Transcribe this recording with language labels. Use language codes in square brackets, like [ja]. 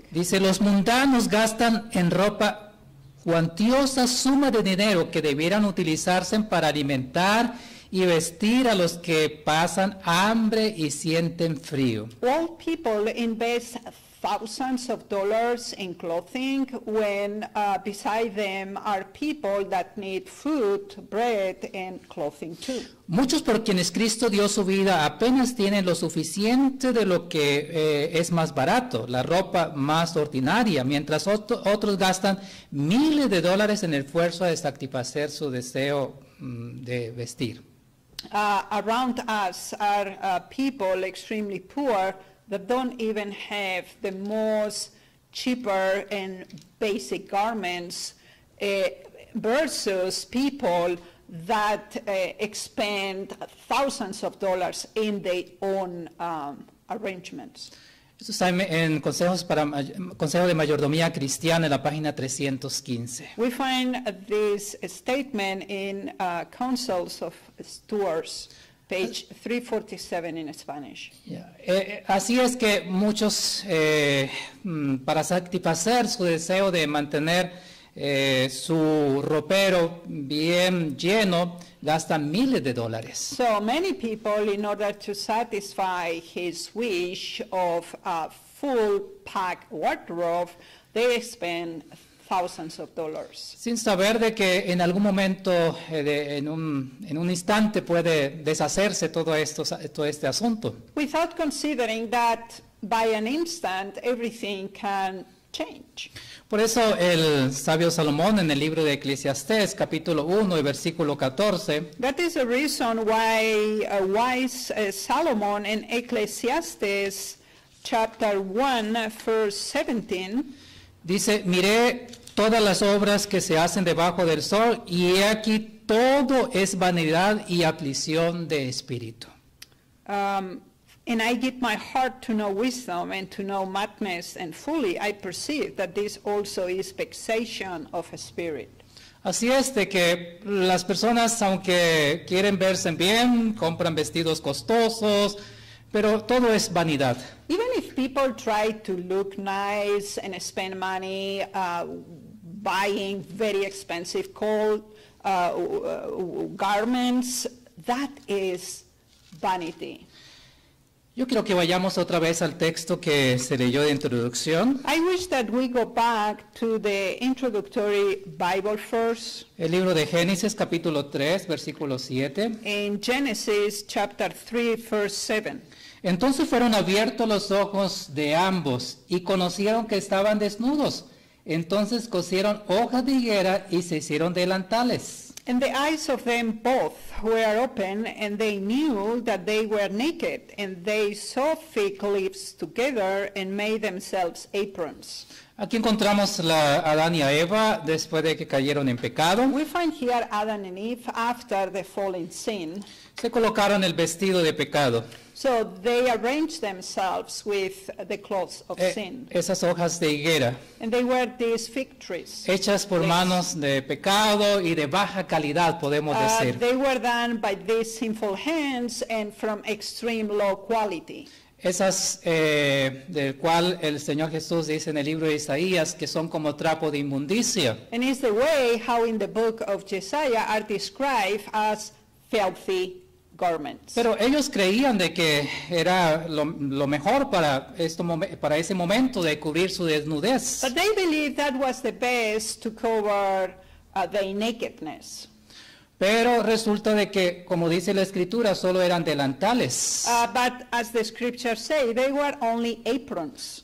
[es] Dice, los mundanos gastan en ropa cuantiosa suma de dinero que debieran utilizarse para alimentar y vestir a los que pasan hambre y sienten frío. [en] All people invest thousands of dollars in clothing when beside them are people that need food, bread, and clothing too. [es] Muchos por quienes Cristo dio su vida apenas tienen lo suficiente de lo que es más barato, la ropa más ordinaria, mientras otros gastan miles de dólares en esfuerzo de satisfacer su deseo de vestir. [en] Around us are people extremely poor that don't even have the most cheaper and basic garments versus people that expend thousands of dollars in their own arrangements. [es] Esto está en Consejo de Mayordomía Cristiana en la página 315. [en] We find this statement in Councils of Stewards, page 347 in Spanish. Yeah. [es] Así es que muchos, para satisfacer su deseo de mantener su ropero bien lleno, gastan miles de dólares. [en] So many people, in order to satisfy his wish of a full pack wardrobe, they spend thousands of dollars. [es] Sin saber de que en algún momento, en un instante, puede deshacerse todo este asunto. [en] Without considering that by an instant everything can change. [es] Por eso el sabio Salomón en el libro de Eclesiastés, capítulo 1 y versículo 14. [en] That is the reason why a wise Solomon in Ecclesiastes chapter 1 verse 17 [es] dice: miré todas las obras que se hacen debajo del sol, y he aquí todo es vanidad y aflicción de espíritu. [en] And I give my heart to know wisdom and to know madness, and fully I perceive that this also is vexation of a spirit. [es] Así es de que las personas, aunque quieren verse bien, compran vestidos costosos, pero todo es vanidad. [en] Even if people try to look nice and spend money buying very expensive garments, that is vanity. [es] Yo quiero que vayamos otra vez al texto que se leyó de introducción. [en] I wish that we go back to the introductory Bible verse. [es] El libro de Génesis, capítulo 3, versículo 7. [en] In Genesis, chapter 3, verse 7. [es] Entonces fueron abiertos los ojos de ambos y conocieron que estaban desnudos. Entonces cosieron hojas de higuera y se hicieron delantales. [en] And the eyes of them both were open, and they knew that they were naked, and they sewed fig leaves together and made themselves aprons. [es] Aquí encontramos a Adán y a Eva después de que cayeron en pecado. [en] We find here Adam and Eve after the fall in sin. [es] Se colocaron el vestido de pecado. [en] So they arranged themselves with the clothes of sin. [es] Esas hojas de higuera. [en] And they were these fig trees. [es] Hechas por manos de pecado y de baja calidad, podemos decir. [en] They were done by these sinful hands and from extreme low quality. [es] Esas del cual el Señor Jesús dice en el libro de Isaías que son como trapo de inmundicia. [en] And it's the way how in the book of Jesaja are described as filthy garments. [es] Pero ellos creían de que era lo mejor para ese momento de cubrir su desnudez. [en] But they believed that was the best to cover their nakedness. [es] Pero resulta de que, como dice la Escritura, solo eran delantales. [en] But as the Scriptures say, they were only aprons.